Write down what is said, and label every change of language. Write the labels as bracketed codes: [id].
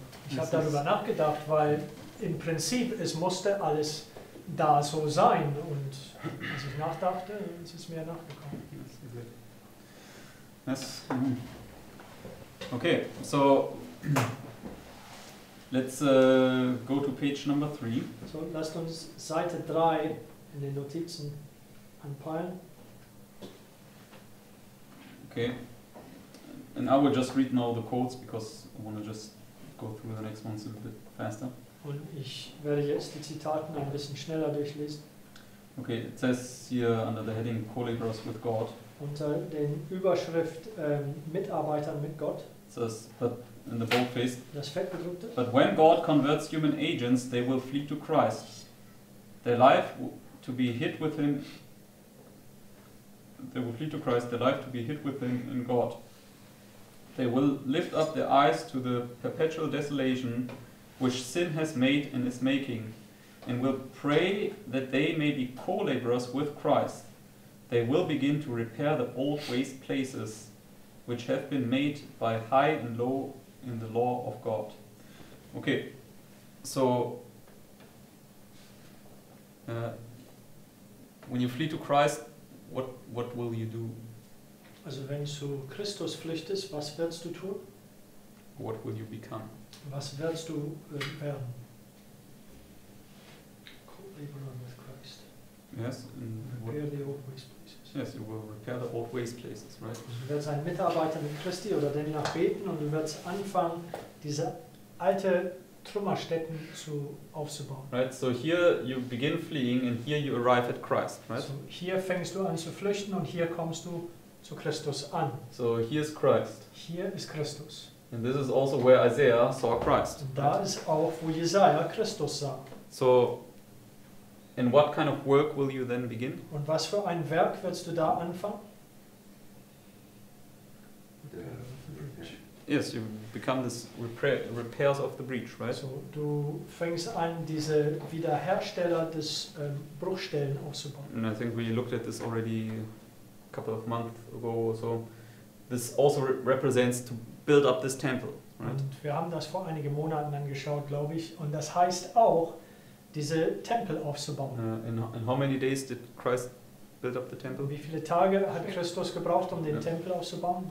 [de] Ich habe darüber nachgedacht, weil im Prinzip es musste alles da so sein und als ich nachdachte, es ist mir nachgekommen. [en] Okay, so let's go to page number 3. [de] So, lasst uns Seite 3 in den Notizen anpeilen. [en] Okay. And I will just read now the quotes because I want to just go through the next ones a little bit faster. [de] Und ich werde jetzt die Zitaten ein bisschen schneller durchlesen. [en] Okay, it says here under the heading Co-laborers with God. [de] Unter den Überschrift Mitarbeiter mit Gott. [en] It says, but in the boldface. [de] Das Fettgedruckte. [en] But when God converts human agents, they will flee to Christ. Their life to be hid with him. They will flee to Christ, their life to be hid with him in God. They will lift up their eyes to the perpetual desolation which sin has made and is making, and will pray that they may be co-laborers with Christ. They will begin to repair the old waste places which have been made by high and low in the law of God. Okay, so when you flee to Christ, what will you do? [de] Also wenn du zu Christus flüchtest, was wirst du tun? [en] What will you become? [de] Was wirst du werden? [en] Co-laboring with Christ. Yes. And repair the old waste places. Yes, you will repair the old waste places, right? [de] Du wirst ein Mitarbeiter mit Christi oder demnach beten und du wirst anfangen, diese alte Trümmerstätten aufzubauen. [en] Right, so here you begin fleeing and here you arrive at Christ, right? [de] So hier fängst du an zu flüchten und hier kommst du zu Christus an. [en] So here is Christ. [de] Hier ist Christus. [en] And this is also where Isaiah saw Christ. [de] Da ist auch, wo Jesaja Christus sah. [en] So, and what kind of work will you then begin? [de] Und was für ein Werk willst du da anfangen? [en] The breach. Yes, you become this repairs of the breach, right? [de] So, du fängst an, diese Wiederhersteller des Bruchstellen aufzubauen. [en] And I think we looked at this already a couple of months ago or so. This also represents to build up this temple, right? [de] Und wir haben das vor einigen Monaten angeschaut, glaube ich, und das heißt auch, diese Tempel aufzubauen. [en] In how many days did Christ build up the temple? [de] Wie viele Tage hat Christus gebraucht, um den Tempel aufzubauen?